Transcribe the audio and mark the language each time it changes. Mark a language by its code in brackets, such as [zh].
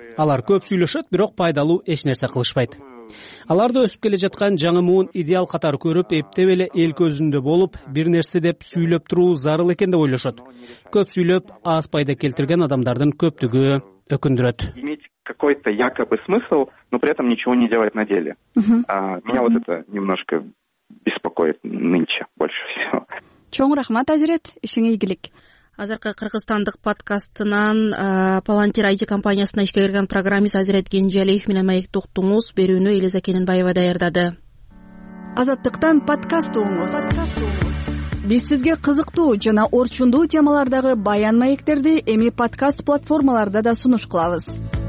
[ky] Алар көп сүйлөшөт, бирок пайдалуу эч нерсе кылышпайт. Аларды өсүп келе жаткан жаңы муун идеал катары көрүп, эптеп эле эл көзүндө болуп, бир нерсе деп сүйлөп туруу зарыл экен деп ойлошот. Көп сүйлөп, аз пайда келтирген адамдардын көптүгү өкүндүрөт. [ru] Иметь какой-то якобы смысл, но при этом ничего не делать на деле. Меня вот это немножко беспокоит нынче больше всего. [ky] Чоң рахмат, Азирет, ишиңе ийгилик. Азыркы кыргызстандык подкастынан Palantir IT компаниясына ишке кирген программист Азирет Кенжалиев менен маекти уктуңуз. Берүүнү Элиза Кененбаева даярдады. Азаттыктан подкаст угуңуз. Биз сизге кызыктуу жана орчундуу темалардагы баян маектерди эми подкаст платформаларда да сунуш кылабыз.